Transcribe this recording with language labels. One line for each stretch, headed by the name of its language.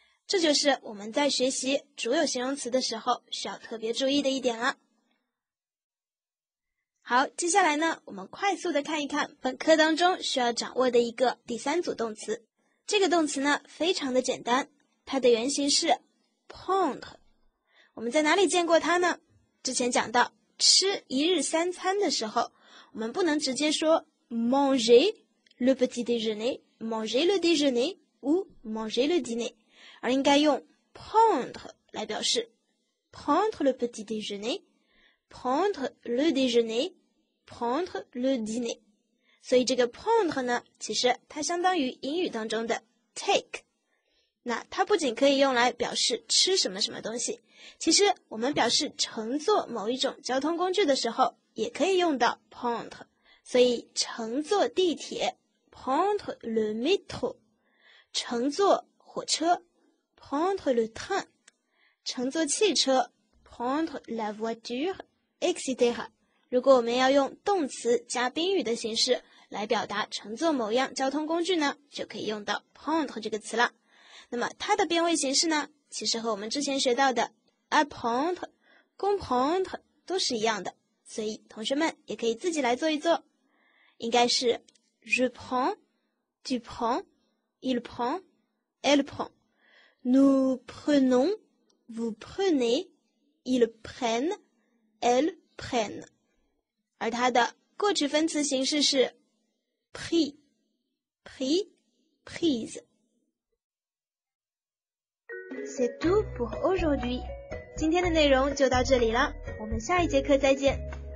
Chinese: 这就是我们在学习主有形容词的时候需要特别注意的一点了。好，接下来呢，我们快速的看一看本课当中需要掌握的一个第三组动词。这个动词呢非常的简单，它的原型是 p rencontre。 我们在哪里见过它呢？之前讲到吃一日三餐的时候，我们不能直接说
French: manger le petit déjeuner, manger le déjeuner ou manger le dîner,
Chinese: 而应该用 prendre 来表示
French: prendre le petit déjeuner, prendre le déjeuner, prendre le dîner。
Chinese: 所以这个 prendre 呢，其实它相当于英语当中的 take。那它不仅可以用来表示吃什么什么东西，其实我们表示乘坐某一种交通工具的时候也可以用到 prendre。所以乘坐地铁
French: prendre le métro，
Chinese: 乘坐火车
French: prendre le train，
Chinese: 乘坐汽车
French: prendre la voiture etc。
Chinese: 如果我们要用动词加宾语的形式来表达乘坐某样交通工具呢，就可以用到 prendre 这个词了。那么它的变位形式呢，其实和我们之前学到的 apprendre、comprendre 都是一样的，所以同学们也可以自己来做一做，应该是
French: je prends, tu prends, il prend, elle prend, nous prenons, vous prenez, ils prennent, elles prennent。
Chinese: 而它的过去分词形式是 pris, pris, prise。
French: C'est tout pour aujourd'hui.
Chinese: 今天的内容就到这里了，我们下一节课再见。